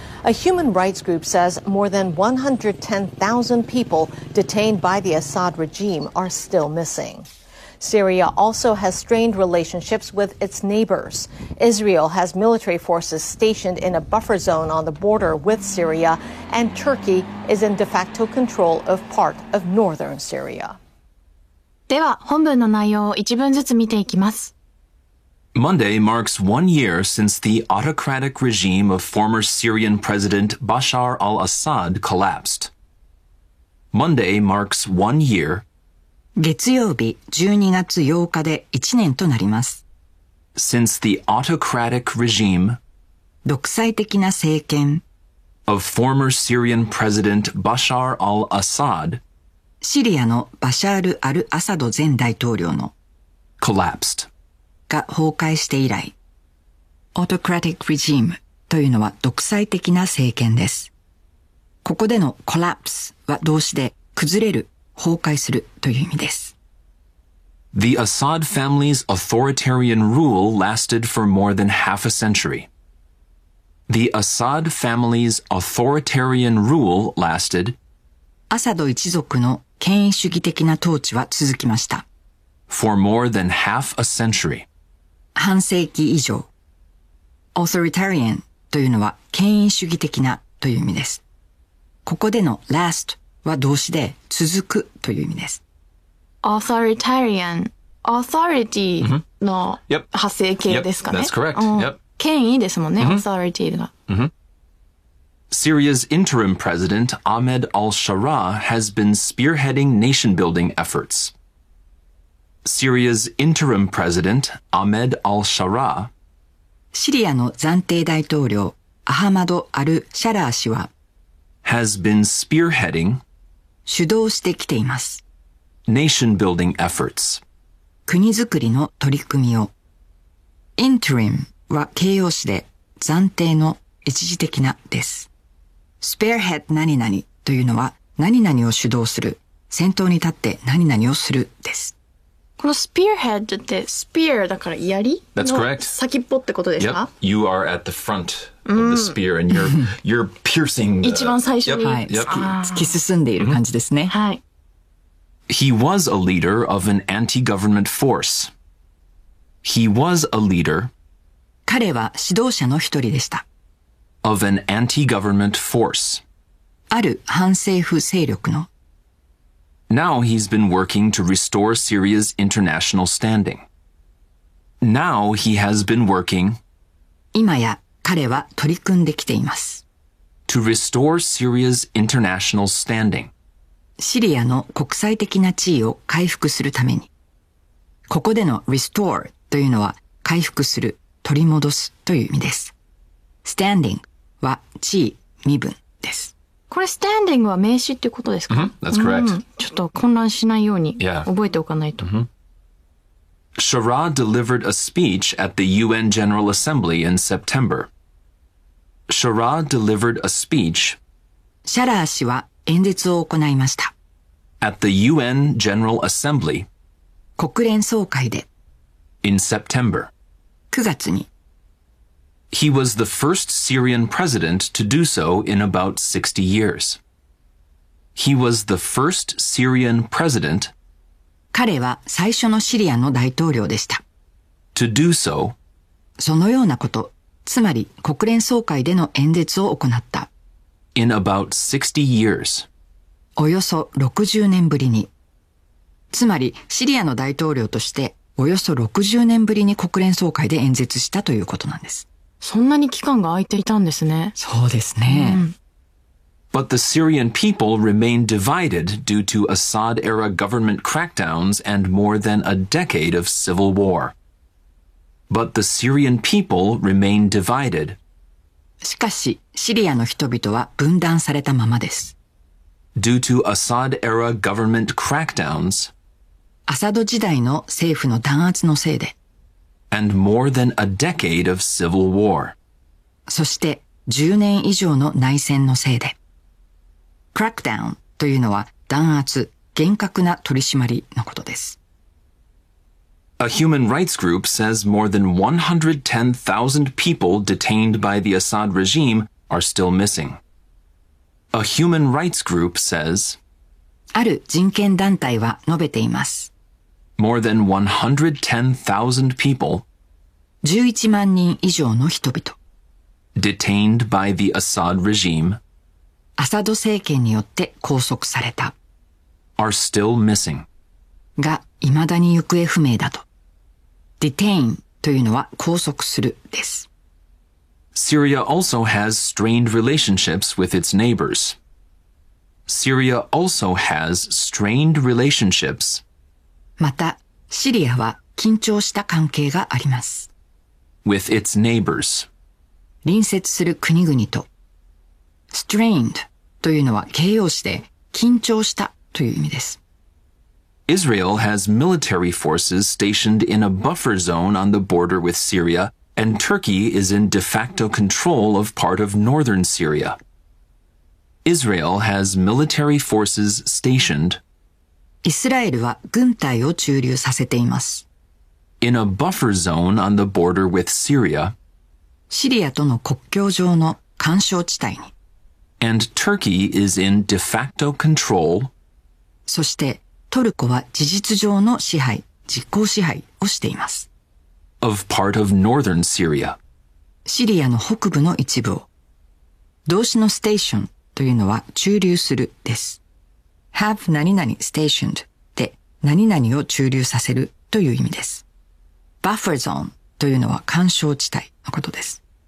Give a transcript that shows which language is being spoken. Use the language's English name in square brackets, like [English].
[English] A human rights group says more than 110,000 people detained by the Assad regime are still missing. Syria also has strained relationships with its neighbors. Israel has military forces stationed in a buffer zone on the border with Syria, and Turkey is in de facto control of part of northern Syria. [Japanese] では本文の内容を一文ずつ見ていきます。 [English] Monday marks one year since the autocratic regime of former Syrian President Bashar al-Assad collapsed. Monday marks one year. [Japanese] 月曜日12月8日で1年となります。 [English] Since the autocratic regime [Japanese] 独裁的な政権 [English] of former Syrian president Bashar al-Assad [Japanese] シリアのバシャール・アル・アサド前大統領の [English] collapsed [Japanese] が崩壊して以来 [English] autocratic regime [Japanese] というのは独裁的な政権です。ここでの collapse は動詞で崩れる崩壊するという意味です。 [English] The Assad family's authoritarian rule lasted for more than half a century. The Assad family's authoritarian rule lasted. [Japanese] アサド一族の権威主義的な統治は続きました。 [English] For more than half a century. [Japanese] 半世紀以上。 Authoritarian というのは権威主義的なという意味です。ここでの lastは動詞で続くという意味です。 Authoritarian, authority の発生形ですかね。 [English] That's correct. Yep. [Japanese] 権威ですもんね。Mm-hmm. Authority が。 Mm-hmm. [English] Syria's interim president Ahmed al-Shara has been spearheading nation-building efforts. Syria's interim president Ahmed al-Shara. [Japanese] シリアの暫定大統領アハマド・アル・シャラー氏は [English] has been spearheading [Japanese] 主導してきています。 [English] Nation building efforts. [Japanese] 国づくりの取り組みを。Interim は形容詞で暫定の一時的なです。 Spearhead 何々というのは何々を主導する。先頭に立って何々をするです。この spearhead って spear だから槍の先っぽってことですか？ [English] Yep. You are at the front of the spear and you're piercing [Japanese] the... 一番最初に、はい、突き進んでいる感じですね。はい。 [English] He was a leader of an anti-government force. He was a leader. [Japanese] 彼は指導者の一人でした。 [English] Of an anti-government force. [Japanese] ある反政府勢力の。 [English] Now he's been working to restore Syria's international standing. Now he has been working. [Japanese] 今や彼は取り組んできています。 [English] To restore Syria's international standing. [Japanese] シリアの国際的な地位を回復するために。ここでの restore というのは回復する、取り戻すという意味です。Standing は地位、身分です。これ standing は名詞ってことですか？ [English] Mm-hmm. That's correct. [Japanese] ちょっと混乱しないように覚えておかないと。 [English] Shara delivered a speech at the UN General Assembly in September. Shara delivered a speech. [Japanese] シャラー氏は演説を行いました。 [English] At the UN General Assembly. [Japanese] 国連総会で。 [English] In September. [Japanese] 9月に。 [English] He was the first Syrian president to do so in about 60 years. He was the first Syrian president. [Japanese] 彼は最初のシリアの大統領でした。 [English] To do so. [Japanese] そのようなこと、つまり国連総会での演説を行った。 [English] In about 60 years. [Japanese] およそ60年ぶりに。つまりシリアの大統領としておよそ60年ぶりに国連総会で演説したということなんです。そんなに期間が空いていたんですね。そうですね。 [English] But the Syrian people remained divided due to Assad-era government crackdowns and more than a decade of civil war. But the Syrian people remained divided. [Japanese] しかし、シリアの人々は分断されたままです。 [English] Due to Assad-era government crackdowns. [Japanese] アサド時代の政府の弾圧のせいで。 [English] And more than a decade of civil war. [Japanese] そして10年以上の内戦のせいで。Crackdown というのは弾圧、厳格な取り締まりのことです。 [English] A human rights group says more than 110,000 people detained by the Assad regime are still missing. A human rights group says, [Japanese] ある人権団体は述べています。 [English] More than 110,000 people. [Japanese] 11万人以上の人々。 [English] Detained by the Assad regime. [Japanese] アサド政権によって拘束された。 [English] Are still missing. [Japanese] が、未だに行方不明だと。Detain というのは拘束するです。 [English] Syria also has strained relationships with its neighbors. Syria also has strained relationships. [Japanese] また、シリアは緊張した関係があります。 [English] With its neighbors. [Japanese] 隣接する国々と。 Strained というのは形容詞で緊張したという意味です。 [English] Israel has military forces stationed in a buffer zone on the border with Syria, and Turkey is in de facto control of part of northern Syria. Israel has military forces stationed. [Japanese] イスラエルは軍隊を駐留させています。 [English] In a buffer zone on the border with Syria. [Japanese] シリアとの国境上の緩衝地帯に。 [English] And Turkey is in de facto control. [Japanese] そしてトルコは事実上の支配、実効支配をしています。 [English] Of part of northern Syria. [Japanese] シリアの北部の一部を。動詞のステーションというのは駐留するです。 have 何々 stationed で何々を駐留させるという意味です。 buffer zone というのは緩衝地帯のことです。